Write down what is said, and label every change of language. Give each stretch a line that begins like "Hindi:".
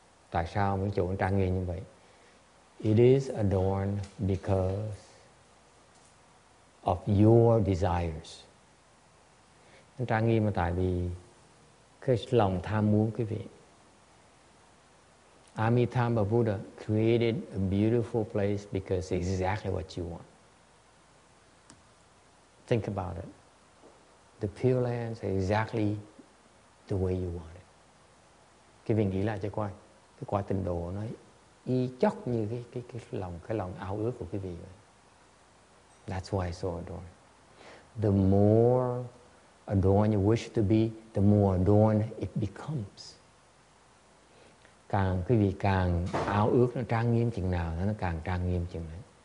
Vietnamese: Tại sao những chỗ trang nghiêm như vậy?
English: It is adorned because of your desires.
Vietnamese: Trang nghiêm là tại vì cái lòng tham muốn quý vị.
English: Amitabha Buddha created a beautiful place because it's exactly what you want. Think about it. The Pure Lands are exactly the way you want it.
Vietnamese: Cái vị nghĩ lại cho coi, cái quả tịnh độ nó y chóc như cái lòng ao ước của cái vị vậy.
English: That's why it's so adorned. The more adorned you wish to be, the more adorned it becomes.
Vietnamese: Càng cái vị càng ao ước nó trang nghiêm chừng nào, nó càng trang nghiêm chừng đấy.